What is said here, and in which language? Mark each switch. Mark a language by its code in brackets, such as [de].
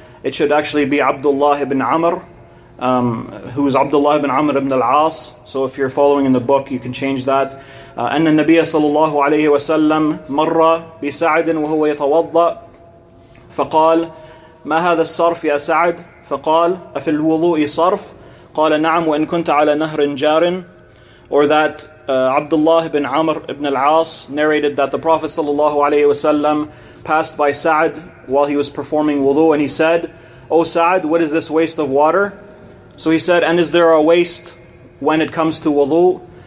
[en] It should actually be Abdullah ibn Amr, who is Abdullah ibn Amr ibn al-As. So if you're following in the book, you can change that. [ar] أن النبي صلى الله عليه وسلم مر بسعد وهو يتوضأ فقال ما هذا الصرف يا سعد فقال أفي الوضوء صرف قال نعم وإن كنت على نهر جار. [en] Or that Abdullah ibn Amr ibn al-As narrated that the Prophet sallallahu alayhi wasallam passed by Sa'd while he was performing wudu, and he said, O Sa'd, what is this waste of water? So he said, and is there a waste when it comes to wudu?